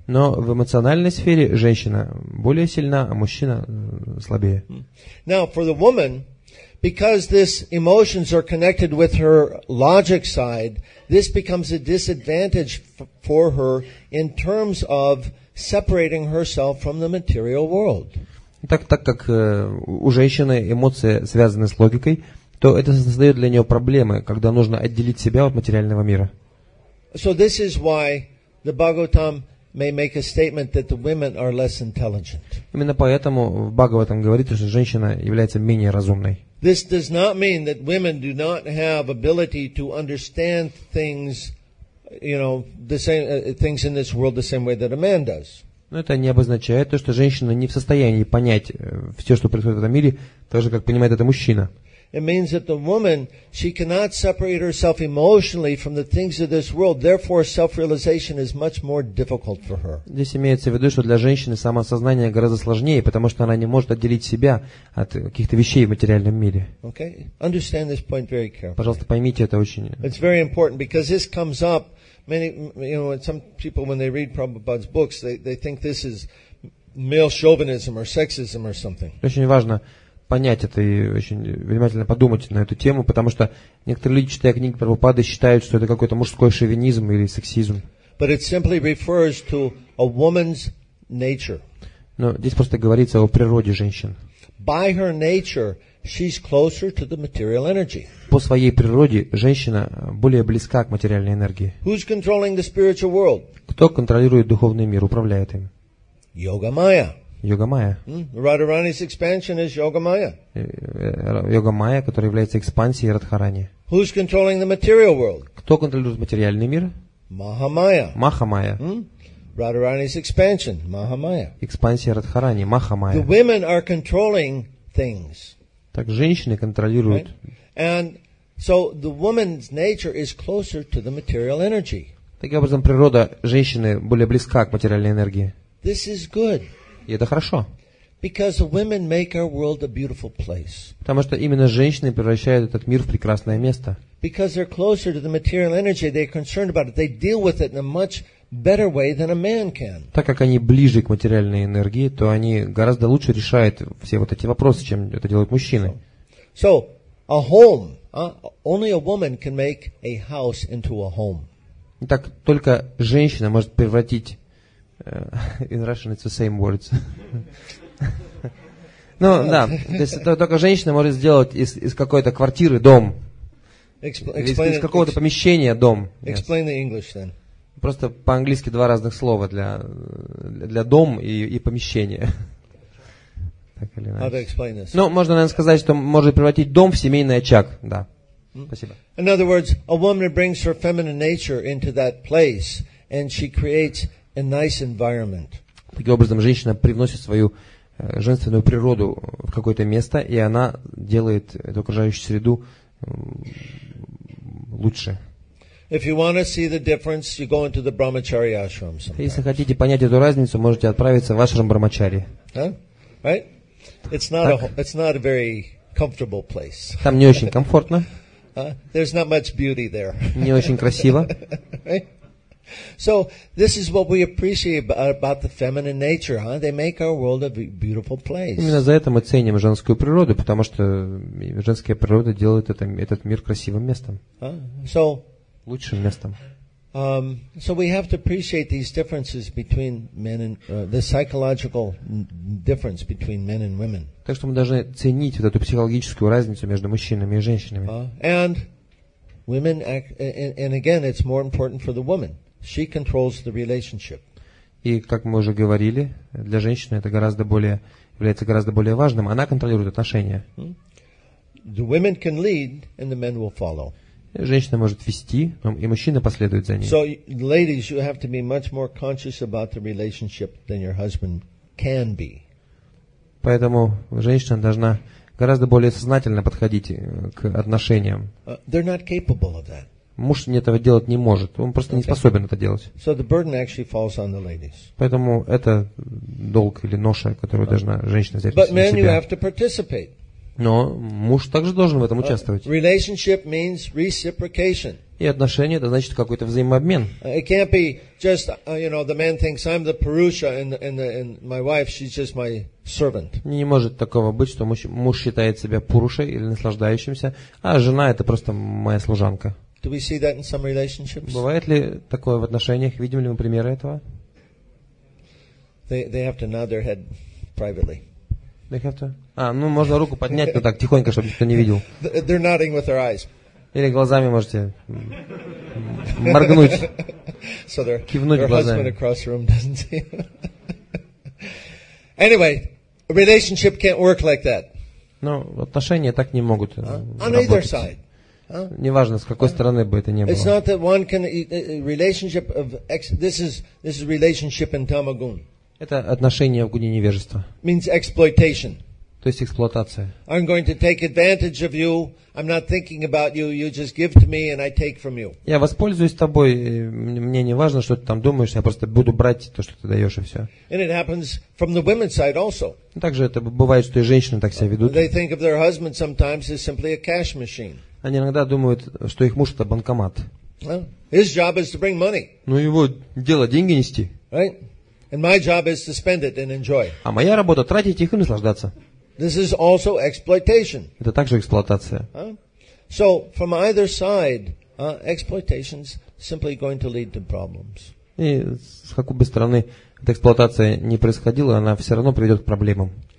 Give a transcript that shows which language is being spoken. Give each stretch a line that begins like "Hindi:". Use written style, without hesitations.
Russian: Но в эмоциональной сфере женщина более сильна, а мужчина слабее.
English: Now, for the woman, because these emotions are connected with her logic side, this becomes a disadvantage for her in terms of separating herself from the material world.
Russian: Так как у женщины эмоции связаны с логикой, то это создает для нее проблемы, когда нужно отделить себя от материального мира.
English: So this is why the Bhagavatam may make a statement that the women are less intelligent.
Russian: Именно поэтому в Бхагаватам говорится, что женщина является менее разумной.
English: This does not mean that women do not have ability to understand things, you know, the same things in this world the same way that a man does.
Russian: Но это не обозначает то, что женщина не в состоянии понять все, что происходит в этом мире, так же, как понимает это мужчина.
English: It means that the woman, she cannot separate herself emotionally from the things of this world. Therefore, self-realization is much more difficult for her.
Russian: Здесь имеется в виду, что для женщины самосознание гораздо сложнее, потому что она не может отделить себя от каких-то вещей в материальном мире.
English: Okay, understand this point very carefully.
Russian: Пожалуйста, поймите это очень.
English: It's very important because this comes up. Many, you know, some people when they read Prabhupada's books, they think this is male chauvinism or sexism or something.
Russian: Очень важно понять это и очень внимательно подумать на эту тему, потому что некоторые люди, читая книги Прабхупады, считают, что это какой-то мужской шовинизм или сексизм.
English: But it simply refers to a woman's nature.
Russian: Но здесь просто говорится о природе женщин.
English: By her nature, she's closer to the material energy.
Russian: По своей природе женщина более близка к материальной энергии.
English: Who's controlling the spiritual world?
Russian: Кто контролирует духовный мир, управляет им? Йога-майя. Йога-майя.
English: Радхарани's expansion is Йога-майя.
Russian: Йога-майя, которая является экспансией Радхарани.
English: Who's controlling the material world?
Russian: Кто контролирует материальный мир? Маха-майя. Маха-майя.
English: Radharani's expansion, Mahamaya.
Russian: Экспансия Радхарани, Махамая.
English: The women are controlling things.
Russian: Так женщины контролируют.
English: And so the woman's nature is closer to the material energy.
Russian: Таким образом, природа женщины более близка к материальной энергии.
English: This is good.
Russian: И это хорошо.
English: Because women make our world a beautiful place.
Russian: Потому что именно женщины превращают этот мир в прекрасное место.
English: Because they're closer to the material energy, they're concerned about it. They deal with it in a much better way than a man can.
Russian: Так как они ближе к материальной энергии, то они гораздо лучше решают все вот эти вопросы, чем это делают мужчины.
English: So, a home, only a woman can make a house into a home.
Russian: Так только женщина может превратить
English: in Russian it's the same words.
Russian: Ну, да, то есть только женщина может сделать из какой-то квартиры дом. Из какого-то помещения дом.
English: Explain the English then.
Russian: Просто по-английски два разных слова для дом и помещения. Так или иначе.
English: How to explain this?
Russian: Ну, можно, наверное, сказать, что может превратить дом в семейный очаг. Да. Спасибо.
English: In other words, a woman brings her feminine nature into that place, and she creates a nice environment.
Russian: Таким образом, женщина привносит свою женственную природу в какое-то место, и она делает эту окружающую среду лучше.
English: If you want to see the difference, you go into the brahmachari ashram. Sometimes.
Russian: Если хотите понять эту разницу, можете отправиться в ашрам брахмачари.
English: Huh? Right? It's not a very comfortable place.
Russian: Там не очень комфортно.
English: There's not much beauty there.
Russian: Не очень красиво.
English: So this is what we appreciate about the feminine nature, huh? They make our world a beautiful place.
Russian: Именно за это мы ценим женскую природу, потому что женская природа делает этот мир красивым местом.
English: So.
Russian: Лучшим местом.
English: So we have to appreciate these differences between men and the psychological difference between men and women.
Russian: Так что мы должны ценить вот эту психологическую разницу между мужчинами и женщинами.
English: And women act, and again, it's more important for the woman. She controls the relationship.
Russian: И как мы уже говорили, для женщины это является гораздо более важным. Она контролирует отношения.
English: The women can lead, and the men will follow.
Russian: Женщина может вести, и мужчина последует за ней.
English: So, ladies, you have to be much more conscious about the relationship than your husband can be.
Russian: Поэтому женщина должна гораздо более сознательно подходить к отношениям.
English: They're not capable of that.
Russian: Муж этого делать не может. Он просто не способен это делать.
English: So the burden actually falls on the ladies.
Russian: Поэтому это долг или ноша, которую должна женщина взять
English: But
Russian: на себя.
English: Men, you have to participate.
Russian: Но муж также должен в этом участвовать.
English: Relationship means reciprocation.
Russian: И отношения – это значит какой-то взаимообмен.
English: It can't be just, you know, the man thinks I'm the Purusha and my wife, she's just my servant.
Russian: Не может такого быть, что муж считает себя Пурушей или наслаждающимся, а жена – это просто моя служанка.
English: Do we see that in some relationships?
Russian: Бывает ли такое в отношениях? Видим ли мы примеры этого?
English: They have to nod their head privately. They have to.
Russian: А, ну можно руку поднять, но так тихонько, чтобы никто не видел.
English: They're nodding with their eyes.
Russian: Или глазами можете моргнуть.
English: So their,
Russian: кивнуть
English: their
Russian: глазами.
English: Husband across the room doesn't see. Anyway, a relationship can't work like that.
Russian: Ну, отношения так не могут работать.
English: On either side.
Russian: Неважно, с какой стороны бы это ни было.
English: It's not that one can relationship of this is relationship in tamagun.
Russian: Это отношение в гуне невежества.
English: Means exploitation.
Russian: То есть эксплуатация.
English: I'm going to take advantage of you. I'm not thinking about you. You just give to me and I take from you.
Russian: Я воспользуюсь тобой. Мне не важно, что ты там думаешь. Я просто буду брать то, что ты даешь, и все.
English: And it happens from the women's side also.
Russian: Также это бывает, что и женщины так себя ведут.
English: They think of their husband sometimes as simply a cash machine.
Russian: Они иногда думают, что их муж – это банкомат.
English: His job is to bring money.
Russian: Ну, его дело – деньги нести.
English: Right? And my job is to spend it and enjoy.
Russian: А моя работа – тратить их и наслаждаться.
English: This is also exploitation.
Russian: Это также эксплуатация.
English: So, from either side, exploitation is simply going to lead to problems.
Russian: И с какой бы стороны эта эксплуатация не происходила, она все равно приведет к проблемам.